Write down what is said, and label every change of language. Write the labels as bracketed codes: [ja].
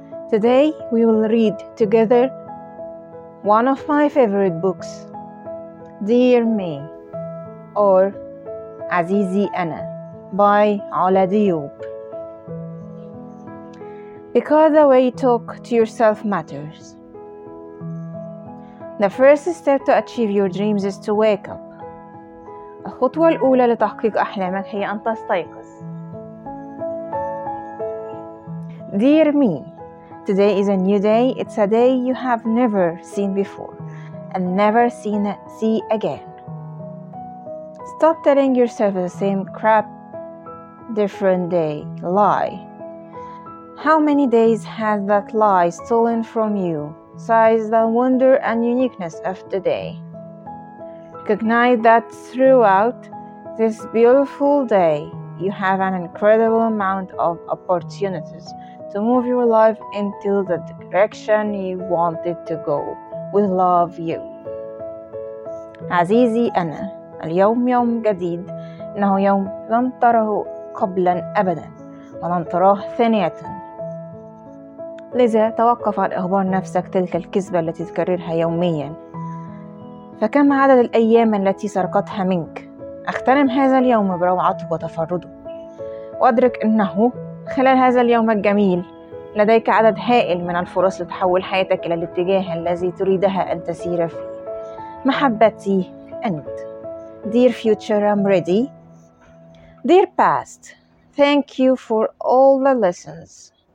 [en] Today we will read together one of my favorite books, Dear Me, or Azizi Ana by Ala Diop. Because the way you talk to yourself matters. The first step to achieve your dreams is to wake up. [ar] الخطوة الأولى لتحقيق أحلامك هي أن تستيقظ. [en] Dear me, today is a new day. It's a day you have never seen before and never see again. Stop telling yourself the same crap, different day, lie. How many days has that lie stolen from you? Size the wonder and uniqueness of today. Recognize that throughout this beautiful day, you have an incredible amount of opportunities to move your life into the direction you want it to go. We love you. [ar] عزيزي أنا، اليوم يوم جديد، إنه يوم لن تره قبلا أبدا، ولن تراه ثانية. لذا توقف عن إخبار نفسك تلك الكذبة التي تكررها يوميا. فكم عدد الأيام التي سرقتها منك؟ اغتنم هذا اليوم بروعته وتفرده، وأدرك أنه خلال هذا اليوم الجميل لديك عدد هائل من الفرص لتحول حياتك إلى الاتجاه الذي تريدها أن تسير فيه. محبتي أنت. [en] Dear future, I'm ready. Dear past, thank you for all the lessons.